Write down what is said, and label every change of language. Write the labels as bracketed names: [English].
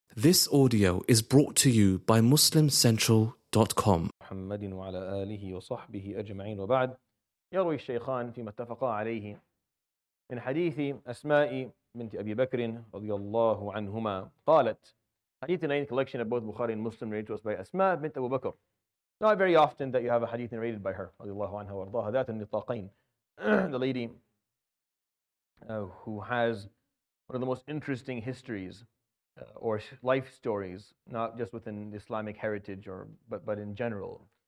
[English] This audio is brought to you by MuslimCentral.com. [Arabic] محمد وعلى آله وصحبه أجمعين وبعد يروي الشيخان فيما اتفقا عليه من حديث أسماء بنت أبي بكر رضي الله عنهما قالت حديث [English] in a collection of both Bukhari and Muslim narrated to us by [Arabic] أسماء بنت أبو بكر. [English] Not very often that you have a hadith narrated by her [Arabic] رضي الله عنها وارضاها ذات النطاقين. [English] The lady who has one of the most interesting histories or life stories, not just within the Islamic heritage, or but in general.